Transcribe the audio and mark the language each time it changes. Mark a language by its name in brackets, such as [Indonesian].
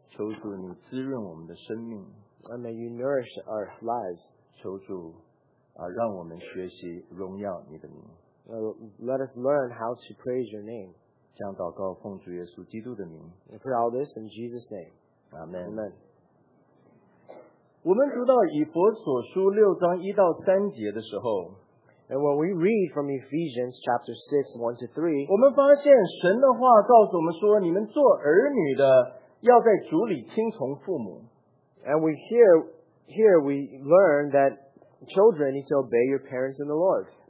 [Chinese] 求主你滋润我们的生命。 [English] And may you nourish our lives. [Chinese] 求主, 让我们学习荣耀你的名。 [English] Let us learn how to praise your name. [Chinese] 这样祷告奉主耶稣基督的名。 [English] We pray all this in Jesus' name. Amen. Amen. [Chinese] 我们读到以弗所书六章一到三节的时候, [English] And when we read from Ephesians chapter 6, 1 to 3, [Chinese] 我们发现神的话告诉我们说，你们做儿女的要在主里听从父母。 [English] And we here we learn that children need to obey your parents in the Lord.